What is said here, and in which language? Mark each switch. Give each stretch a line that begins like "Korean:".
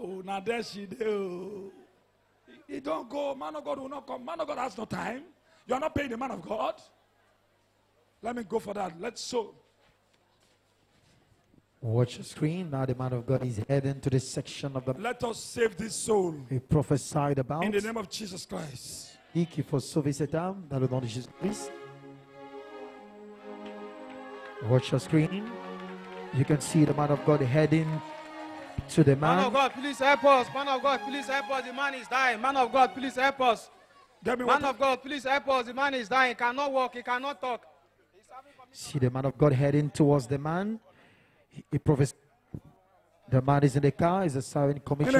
English: Oh, now there she is. He don't go. Man of God will not come. Man of God has no time. You are not paying the man of God. Let me go for that. Let's show. Watch the screen. Now the man of God is heading to the section of the... Let us save this soul. He prophesied about... In the name of Jesus Christ.
French: Dit qu'il faut sauver cette âme dans le nom de Jésus Christ.
English: Watch your screen. You can see the man of God heading to the man. Man of God, please help us. Man of God, please help us. The man is dying. Man of God, please help us. Man of God, please help us. The man is dying. He cannot walk. He cannot talk. See the man of God heading towards the man. He professed. The man is in the car. He's a serving commissioner.